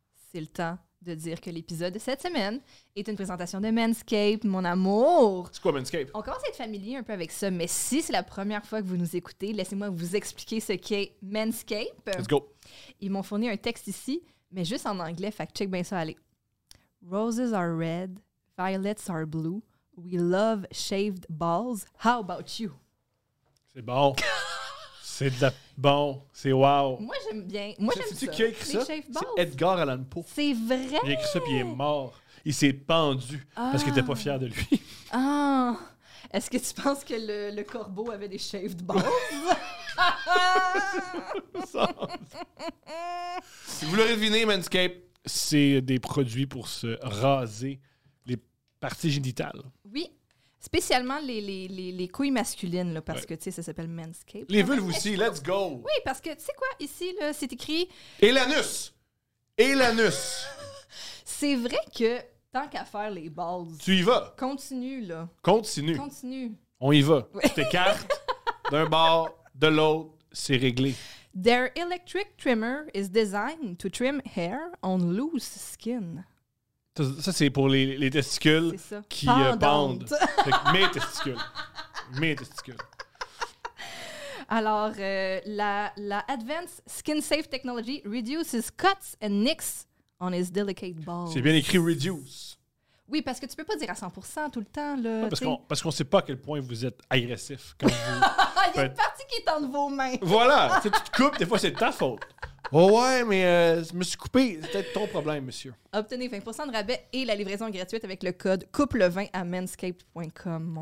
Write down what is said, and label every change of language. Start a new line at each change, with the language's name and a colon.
French: C'est le temps de dire que l'épisode de cette semaine est une présentation de Manscaped, mon amour. C'est quoi Manscaped? On commence à être familier un peu avec ça, mais si c'est la première fois que vous nous écoutez, laissez-moi vous expliquer ce qu'est Manscaped.
English: Let's go.
French: Ils m'ont fourni un texte ici, mais juste en anglais, fait que check bien ça, allez.
English: Roses are red, violets are blue, we love shaved balls, how about you?
French: C'est bon. C'est de la... Bon, c'est wow. Moi, j'aime bien. Moi, j'aime ça. Qui a écrit ça? C'est Edgar Allan Poe. C'est vrai? Il a écrit ça, puis il est mort. Il s'est pendu parce qu'il était pas fier de lui. Ah! Oh. Est-ce que tu penses que le corbeau avait des
English: shaved balls?
French: Si vous l'aurez deviné, Manscaped, c'est des produits pour se raser les parties génitales. Oui. Spécialement les couilles masculines, là, parce ouais. que, tu sais, ça s'appelle Manscaped. Les vulves aussi,
English: let's go!
French: Oui, parce que, tu sais quoi, ici, là, c'est écrit... Et l'anus! Et l'anus! C'est vrai que, tant qu'à faire les balls... Tu y vas! Continue, là. Continue! Continue! On y va! Ouais. T'écartes d'un bord, de l'autre, c'est réglé.
English: Their electric trimmer is designed to trim hair on loose skin.
French: Ça, c'est pour les testicules qui pendent. Mes testicules. Mes testicules. Alors, la
English: Advanced Skin Safe Technology reduces cuts and nicks on his delicate balls.
French: C'est bien écrit reduce. Oui, parce que tu peux pas dire à 100% tout le temps. Là, ouais, parce qu'on sait pas à quel point vous êtes agressif. Quand vous... Il y a une partie qui est entre vos mains. Voilà. Tu te coupes, des fois, c'est ta faute. Oh ouais, mais je me suis coupé. C'est peut-être ton problème, monsieur. Obtenez 20% de rabais et la livraison gratuite avec le code COUPLE20 à manscaped.com, mon